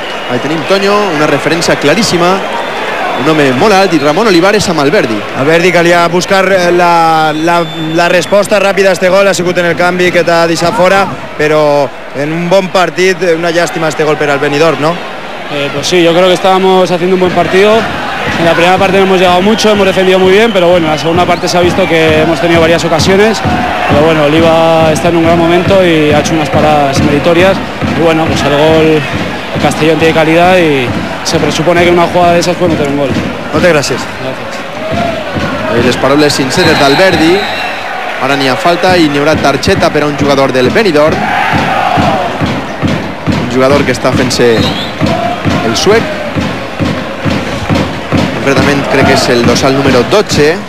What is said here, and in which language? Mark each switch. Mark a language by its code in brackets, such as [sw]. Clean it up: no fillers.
[ca] Ahí tenim Toño, una referència claríssima. Un home molt alt, i Ramon Olivares amb Alberdi. Alberdi calia buscar la resposta ràpida a este gol, ha sigut en el canvi que t'ha deixat fora, però en un bon partit, una llàstima este gol per al Benidorm, no? [es] Pues sí, yo creo que estábamos haciendo un buen partido. En la primera parte no hemos llegado mucho, hemos defendido muy bien, pero bueno, en la segunda parte se ha visto que hemos tenido varias ocasiones. Pero bueno, Oliva está en un gran momento y ha hecho unas paradas meritorias. Y bueno, pues el gol, el Castellón tiene calidad y se presupone que una jugada de esas puede meter un gol. [ca] Moltes gràcies. Gràcies. Les paraules sinceres d'Alberdi, Ara n'hi ha falta i n'hi haurà targeta per a un jugador del Benidorm. Un jugador que està fent-se el suec. Concretament crec que és el dorsal número 12.